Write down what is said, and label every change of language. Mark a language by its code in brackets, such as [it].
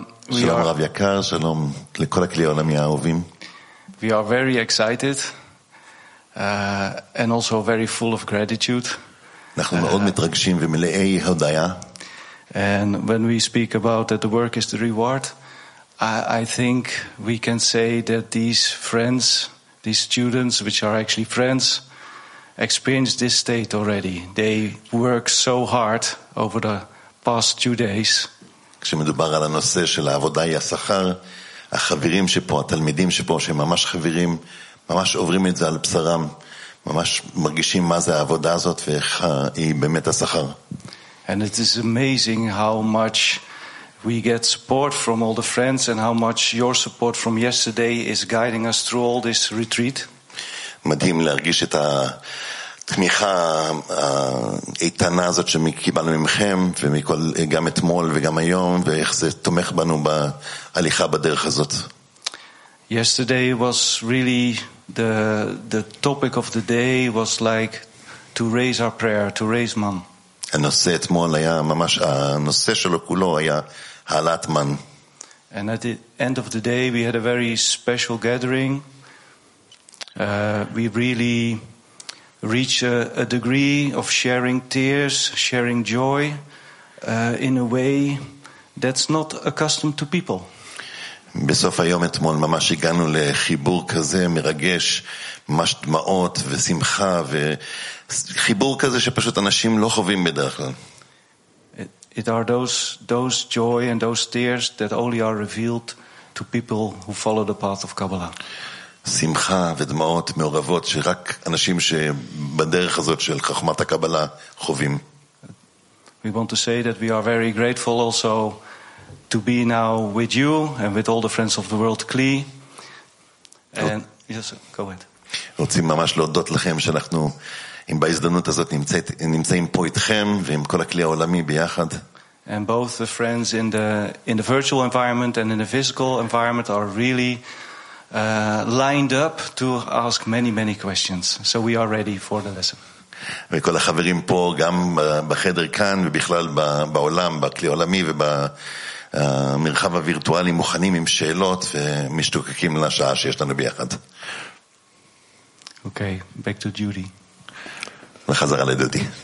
[he] שלום רב יקר, שלום לכל הכלי העולמי האהובים. [en] We are very excited and also very full of gratitude. [he] אנחנו מאוד מתרגשים ומלאי הודיה. [en] And when we speak about that the work is the reward, I think we can say that these friends, these students which are actually friends, experienced this state already. They worked so hard over the past 2 days. [he] כשמדובר על הנושא של העבודה היא השכר, החברים שפה, התלמידים שפה, שהם ממש חברים, ממש עוברים את זה על בשרם, ממש מרגישים מה זה העבודה הזאת ואיך היא באמת השכר. [en] And it is amazing how much we get support from all the friends and how much your support from yesterday is guiding us through all this retreat. [he] מדהים להרגיש את התמיכה האיתנה הזאת שקיבלנו ממכם ומכל, גם אתמול וגם היום, ואיך זה תומך בנו בהליכה בדרך הזאת. [en] Yesterday was really the topic of the day was like to raise our prayer, to raise man. [he] הנושא אתמול היה ממש, הנושא שלו כולו היה העלאת מן. [en] And at the end of the day we had a very special gathering. We really reach a degree of sharing tears, sharing joy in a way that's not accustomed to people. [he] בסוף היום אתמול ממש הגענו לחיבור כזה מרגש, ממש דמעות ושמחה וחיבור כזה שפשוט אנשים לא חווים בדרך כלל. [en] It are those joy and those tears that only are revealed to people who follow the path of Kabbalah. [he] שמחה ודמעות מעורבות שרק אנשים שבדרך הזאת של חכמת הקבלה חווים. [en] We want to say that we are very grateful also to be now with you and with all the friends of the World Kli. And yes, go ahead. [he] רוצים ממש להודות לכם שאנחנו עם בהזדמנות הזאת נמצאים פה איתכם ועם כל הכלי העולמי ביחד. [en] And both the friends in the virtual environment and in the physical environment are really lined up to ask many many questions, so we are ready for the lesson. [he] וכל החברים פה גם בחדר כאן ובכלל בעולם בכלי עולמי ובמרחב הווירטואלי מוכנים עם שאלות ומשתוקקים לשעה שיש לנו ביחד. [en] Okay, back to Judy. [he] לחזרה לדודי.